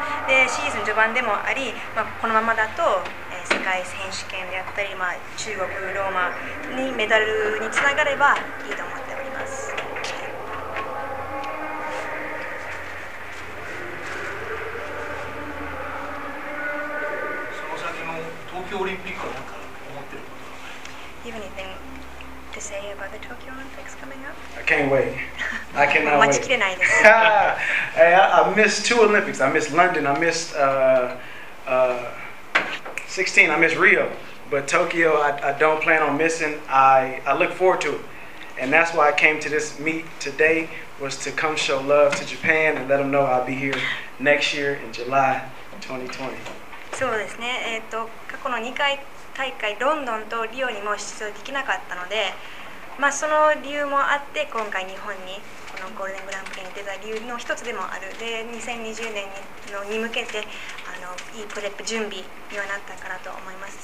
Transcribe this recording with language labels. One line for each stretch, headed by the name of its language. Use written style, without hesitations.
Japanese: でシーズン序盤でもあり、まあ、このままだと、世界選手権であったり、まあ、中国ローマにメダルにつながればいいと思っております。その先の東京オリンピックは
English: You have anything to say about the Tokyo Olympics coming up? I can't wait. I cannot wait.
Japanese: 待ちきれないです。
English: Hey, I missed two Olympics. I missed London. I missed 16. I missed Rio. But Tokyo, I don't plan on missing. I look forward to it. And that's why I came to this meet today, was to come show love to Japan and let them know I'll be here next year in July 2020.
Japanese: そうですね。過去の2回大会ロンドンとリオにも出場できなかったので、まあ、その理由もあって今回日本にこのゴールデングランプリに出た理由の一つでもある。で2020年 に向けてあのいいプレップ準備にはなったかなと思います。